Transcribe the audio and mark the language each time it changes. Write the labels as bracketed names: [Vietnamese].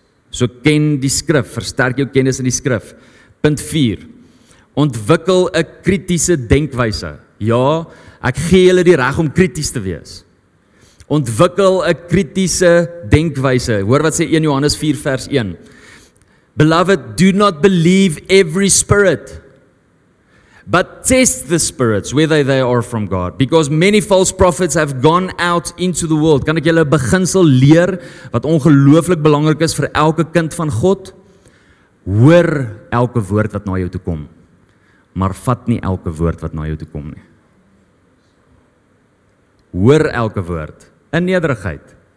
[Afrikaans] So ken die skrif, versterk jou kennis in die skrif. Punt 4, ontwikkel 'n kritiese denkwyse. Ja, ek gee julle die reg om krities te wees. Ontwikkel 'n kritiese denkwyse. Hoor wat sê 1 Johannes 4 vers 1. [English] Beloved, do not believe every spirit, but test the spirits, whether they are from God. Because many false prophets have gone out into the world. [Afrikaans] Kan ek julle 'n beginsel leer, wat ongelooflik belangrik is vir elke kind van God? Hoor elke woord wat na jou toe kom, maar vat nie elke woord wat na jou toe kom nie. Hoor elke woord in nederigheid.